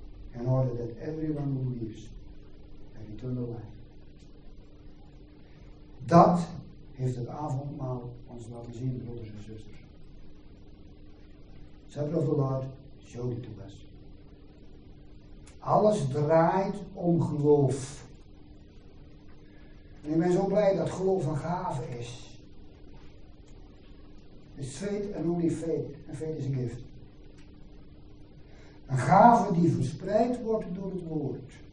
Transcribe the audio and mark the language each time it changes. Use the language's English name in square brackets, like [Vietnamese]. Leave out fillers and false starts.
[English] In order that everyone who believes have eternal life. [Dutch] Dat heeft het avondmaal ons laten zien, broeders en zusters. [English] Supper of the Lord, show it to us. [Dutch] Alles draait om geloof. En ik ben zo blij dat geloof een gave is. [English] is faith and only faith. [Dutch] En faith is een gift. Een gave die verspreid wordt door het woord.